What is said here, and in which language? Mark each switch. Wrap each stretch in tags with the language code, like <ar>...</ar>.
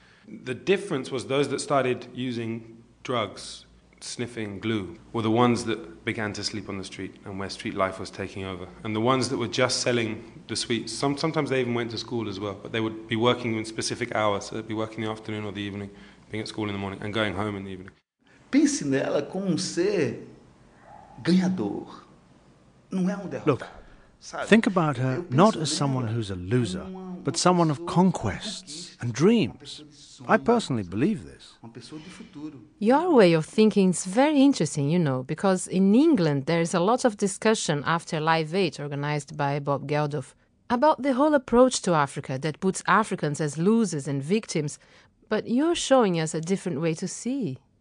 <en>The difference was those that started using drugs, sniffing glue, were the ones that began to sleep on the street and where street life was taking over. And the ones that were just selling the sweets, sometimes they even went to school as well, but they would be working in specific hours, so they'd be working in the afternoon or the evening, being at school in the morning and going home in the evening.</en> <pt>Pense nela como um ser ganhador. Não é um derrotado.</pt> <en>Look, think about her not as someone who's a loser, but someone of conquests and dreams. I personally believe this. Your way of thinking is very interesting, you know, because in England there is a lot of discussion after Live Aid, organized by Bob Geldof, about the whole approach to Africa that puts Africans as losers and victims, but you're showing us a different way to see.</en>